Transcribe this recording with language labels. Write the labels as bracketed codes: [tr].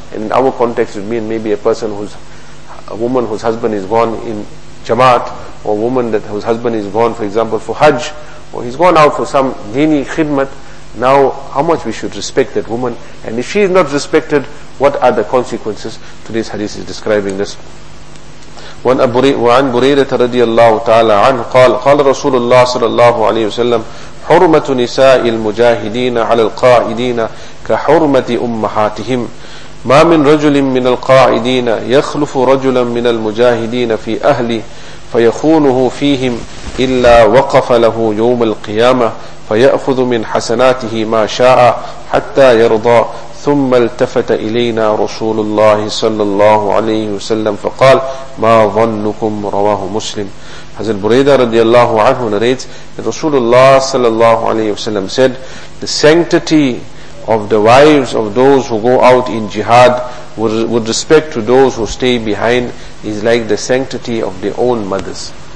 [en] And in our context, it would mean maybe a person who's, a woman whose husband is gone in Jamaat, or a woman that whose husband is gone, for example, for Hajj, or he's gone out for some dini khidmat. Now, how much we should respect that woman? And if she is not respected, what are the consequences? Today's hadith is describing this. [ar] وعن بريرة رضي الله تعالى عنه قال قال رسول الله صلى الله عليه وسلم حرمة نساء المجاهدين على القائدين كحرمة أمهاتهم ما من رجل من القائدين يخلف رجلا من المجاهدين في أهله فيخونه فيهم إلا وقف له يوم القيامة فيأخذ من حسناته ما شاء حتى يرضى ثم التفت إلينا رسول الله صلى الله عليه وسلم فقال ما ظنكم رواه مسلم. [en] Hazrat Buraida radiallahu anhu narrates that Rasulullah sallallahu alayhi wa sallam said, the sanctity of the wives of those who go out in jihad with respect to those who stay behind is like the sanctity of their own mothers.